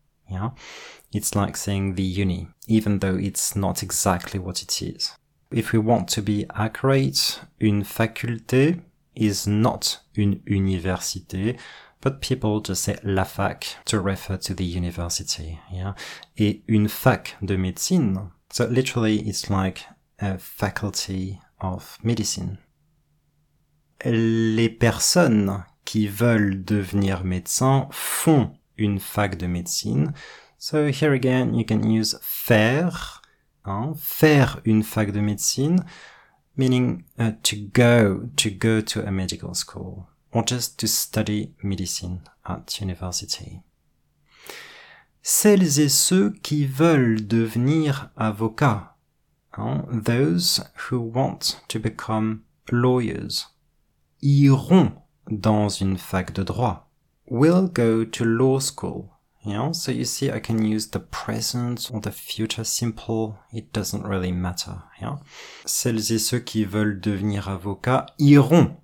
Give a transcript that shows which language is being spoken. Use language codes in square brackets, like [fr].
[en] Yeah, it's like saying the uni, even though it's not exactly what it is. If we want to be accurate, une faculté is not une université. But people just say la fac to refer to the university, yeah? [fr] Et une fac de médecine. [en] So literally, it's like a faculty of medicine. [fr] Les personnes qui veulent devenir médecin font une fac de médecine. [en] So here again, you can use faire, hein? [fr] Faire une fac de médecine, [en] meaning to go to a medical school. Or just to study medicine at university. [fr] Celles et ceux qui veulent devenir avocats. Hein? [en] Those who want to become lawyers. [fr] Iront dans une fac de droit. [en] Will go to law school. Yeah? So you see, I can use the present or the future simple. It doesn't really matter. Yeah? [fr] Celles et ceux qui veulent devenir avocats iront.